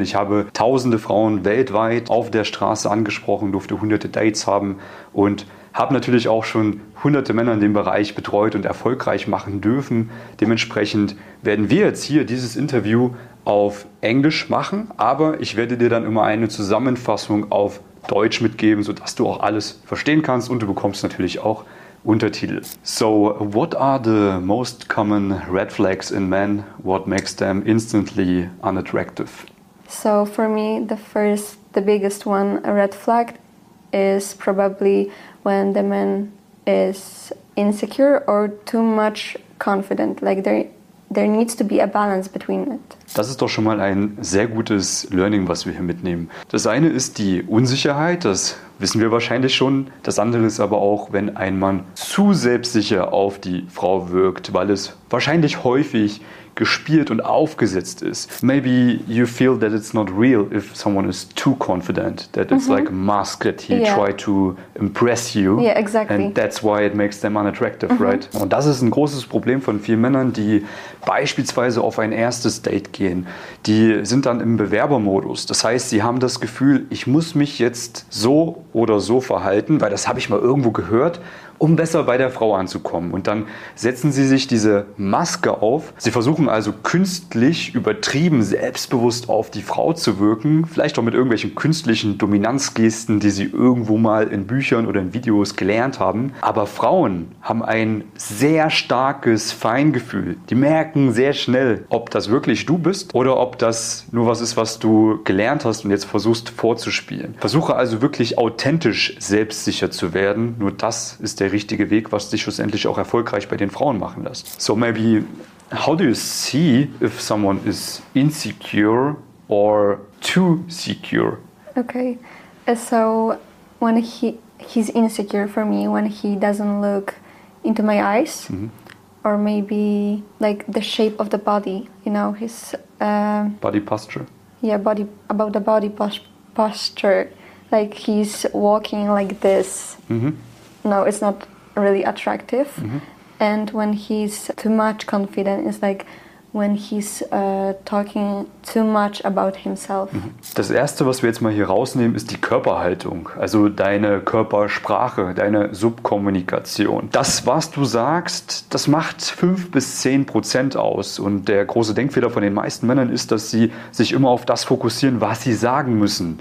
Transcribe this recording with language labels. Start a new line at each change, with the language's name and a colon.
German: Ich habe tausende Frauen weltweit auf der Straße angesprochen, durfte hunderte Dates haben und habe natürlich auch schon hunderte Männer in dem Bereich betreut und erfolgreich machen dürfen. Dementsprechend werden wir jetzt hier dieses Interview auf Englisch machen, aber ich werde dir dann immer eine Zusammenfassung auf Deutsch mitgeben, sodass du auch alles verstehen kannst und du bekommst natürlich auch Untertitel.
English: So, what are the most common red flags in men? What makes them instantly unattractive? So, for me, the biggest one, a red flag, is probably when the man is insecure or too much confident. Like, there needs to be a balance between it.
German: Das ist doch schon mal ein sehr gutes Learning, was wir hier mitnehmen. Das eine ist die Unsicherheit, das wissen wir wahrscheinlich schon. Das andere ist aber auch, wenn ein Mann zu selbstsicher auf die Frau wirkt, weil es wahrscheinlich häufig gespielt und aufgesetzt ist.
English: Maybe you feel that it's not real if someone is too confident, that it's like masked, he tried to impress you. Yeah, exactly. And that's why it makes them unattractive, right?
German: Und das ist ein großes Problem von vielen Männern, die beispielsweise auf ein erstes Date gehen. Die sind dann im Bewerbermodus. Das heißt, sie haben das Gefühl, ich muss mich jetzt so oder so verhalten, weil das habe ich mal irgendwo gehört, um besser bei der Frau anzukommen. Und dann setzen sie sich diese Maske auf. Sie versuchen also künstlich übertrieben selbstbewusst auf die Frau zu wirken. Vielleicht auch mit irgendwelchen künstlichen Dominanzgesten, die sie irgendwo mal in Büchern oder in Videos gelernt haben. Aber Frauen haben ein sehr starkes Feingefühl. Die merken sehr schnell, ob das wirklich du bist oder ob das nur was ist, was du gelernt hast und jetzt versuchst vorzuspielen. Versuche also wirklich authentisch selbstsicher zu werden. Nur das ist der richtige Weg, was dich schlussendlich auch erfolgreich bei den Frauen machen lässt.
English: So maybe, how do you see if someone is insecure or too secure? Okay, so when he's insecure for me, when he doesn't look into my eyes, or maybe like the shape of the body, you know, his... body posture? Yeah, about the body posture, like he's walking like this. No, it's not really attractive. And when he's too much confident, it's like when he's talking too much about himself.
German: Das Erste, was wir jetzt mal hier rausnehmen, ist die Körperhaltung. Also deine Körpersprache, deine Subkommunikation. Das, was du sagst, das macht 5-10% aus. Und der große Denkfehler von den meisten Männern ist, dass sie sich immer auf das fokussieren, was sie sagen müssen.